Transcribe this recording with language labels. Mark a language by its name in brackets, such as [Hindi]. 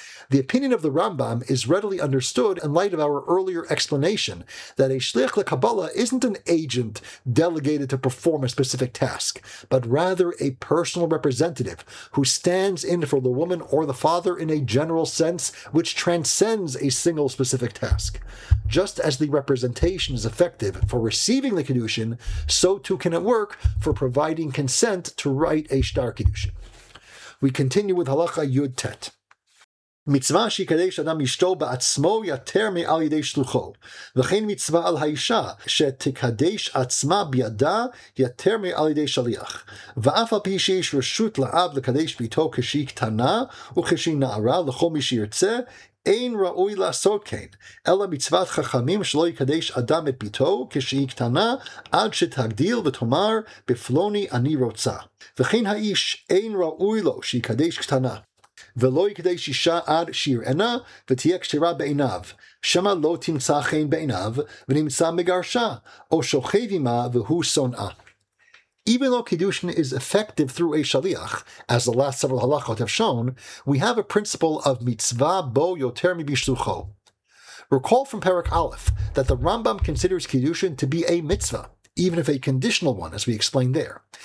[English] The opinion of the Rambam is readily understood in light of our earlier explanation that a shliach lekabbalah isn't an agent delegated to perform a specific task, but rather a personal representative who stands in for the woman or the father in a general sense which transcends a single specific task. Just as the representation is effective for receiving the kiddushin, so too can it work for providing consent to write a shtar kiddushin. We continue with Halacha Yud Tet. [Hebrew] מצווה שיקדש אדם אשתו בעצמו יותר מעל ידי שלוחו, וכן מצווה על האישה שתקדש עצמה בידה יותר מעל ידי שליח. ואף על פי שיש רשות לאב לקדש ביתו כשהיא קטנה וכשהיא נערה לכל מי שירצה, אין ראוי לעשות כן, אלא מצוות חכמים שלא יקדש אדם את ביתו כשהיא קטנה עד שתגדיל ותאמר בפלוני אני רוצה. וכן האיש אין ראוי לו שיקדש קטנה, ולא יקדש אישה עד שיראנה ותהיה כשרה בעיניו, שמה לא תמצא חן בעיניו ונמצא מגרשה או שוכב עמה והוא שונאה. [English] Even though kiddushin is effective through a shaliach, as the last several halachot have shown, we have a principle of [Hebrew] mitzvah bo yoter mibishlucho. [English] Recall from Perek Aleph that the Rambam considers kiddushin to be a mitzvah, even if a conditional one, as we explained there.